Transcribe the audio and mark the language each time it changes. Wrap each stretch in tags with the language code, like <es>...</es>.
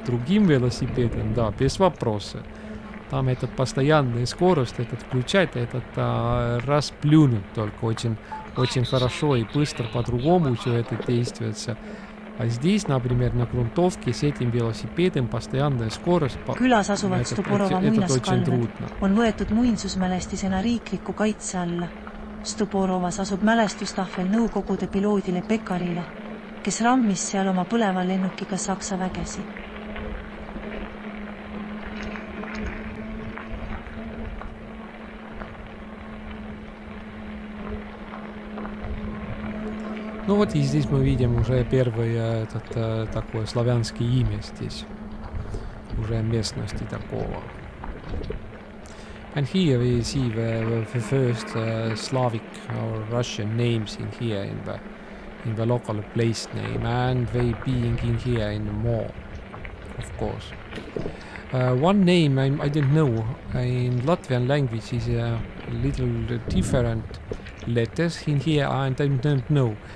<ru>Другим велосипедом, да, без вопроса. Там этот постоянный скорость, этот включать, этот раз плюнуть только очень хорошо и быстро по-другому все это действует. А здесь, например, на грунтовке с этим велосипедом постоянная скорость.</ru> <et>Külas asuvad Stuporova muinaskalded on võetud muinsusmälestisena riikliku kaitse alla. Stuporovas asub mälestustahvel nõukogude piloodile Pekarile, kes rammis seal oma põleva lennukiga Saksa vägesi.</et> <ru>Ну вот и здесь мы видим уже первое это такое славянское имя здесь. Уже местности такого.</ru> <en>And here we see the first Slavic or Russian names in here in the local place name and they being in here in the mall, of course. One name I didn't know in Latvian language is a little different letters in here and I don't know.</en>